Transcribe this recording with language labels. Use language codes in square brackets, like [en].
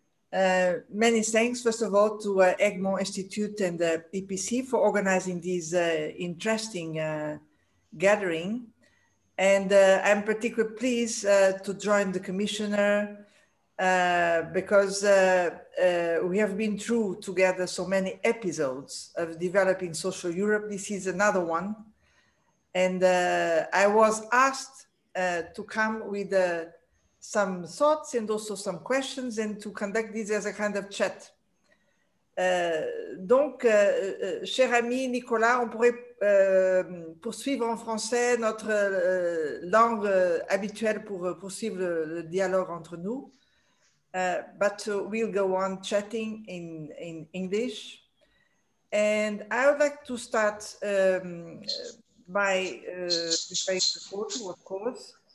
[en] Many thanks, first of all, to Egmont Institute and the EPC for organizing these interesting gathering, and I'm particularly pleased to join the Commissioner because we have been through together so many episodes of developing social Europe. This is another one, and I was asked to come with some thoughts and also some questions, and to conduct this as a kind of chat. [fr] Donc, cher ami Nicolas, on pourrait poursuivre en français notre langue habituelle pour poursuivre le dialogue entre nous. [en] But we'll go on chatting in English. And I would like to start by referring to Porto, of course.